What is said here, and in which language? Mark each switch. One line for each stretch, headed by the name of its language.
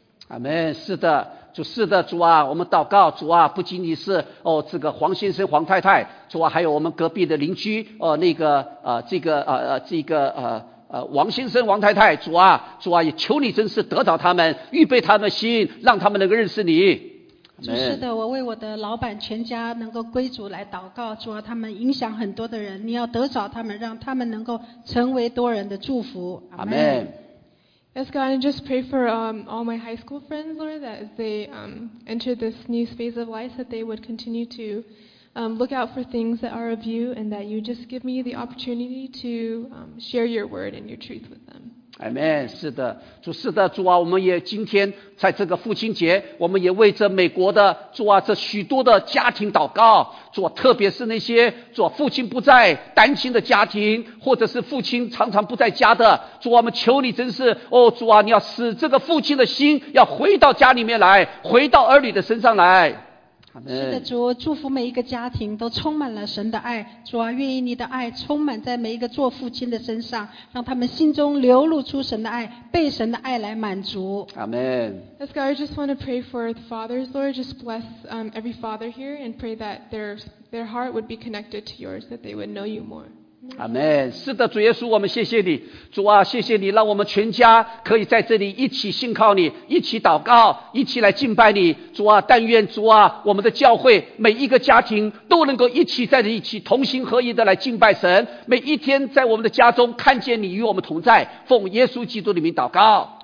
English: Amen.
Chinese: 是的，主，是的，主啊，我们祷告，主啊，不仅仅是哦这个黄先生黄太太，主啊，还有我们隔壁的邻居哦那个这个这个王先生王太太，主啊，主啊，也求你真是得着他们，预备他们心，让他们能够认识你。主，是的，我为我的老板全家能够归主来祷告，主啊，他们影响很多的人，你要得着他们，让他们能够成为多人的祝福。阿门。
English: Yes, God, I just pray for all my high school friends, Lord, that as they enter this new phase of life, that they would continue to look out for things that are of you, and that you just give me the opportunity to share your word and your truth with them. Amen.
Chinese: 是的，主，是的，主啊，我们也今天在这个父亲节，我们也为这美国的主啊，这许多的家庭祷告，主啊，特别是那些主啊父亲不在单亲的家庭，或者是父亲常常不在家的，主啊，我们求你真是哦，主啊，你要使这个父亲的心要回到家里面来，回到儿女的身上来。是的，主，祝福每一个家庭都充满了神的爱，主啊，愿意你的爱充满在每一个做父亲的身上，让他们心中流露出神的爱，被神的爱来满足。阿门。
English: Yes, God, I just want to pray for the fathers, Lord, just bless every father here and pray that their heart would be connected to yours, that they would know you more.
Chinese: 阿门。是的，主耶稣，我们谢谢你，主啊，谢谢你，让我们全家可以在这里一起信靠你，一起祷告，一起来敬拜你，主啊，但愿主啊，我们的教会每一个家庭都能够一起在这一起同心合一的来敬拜神，每一天在我们的家中看见你与我们同在，奉耶稣基督的名祷告。